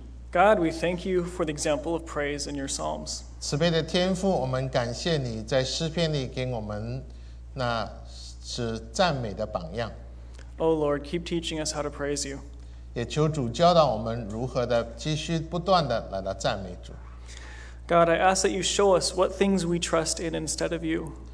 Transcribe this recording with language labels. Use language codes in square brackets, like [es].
[en] God, we thank you for the example of praise in your Psalms. [zh] 慈悲的天父，我们感谢你在诗篇里给我们那是赞美的榜样。 [en] Oh Lord, keep teaching us how to praise you. [zh] 也求主教导我们如何的继续不断的来到赞美主。 [en] God, I ask that you show us what things we trust in instead of you.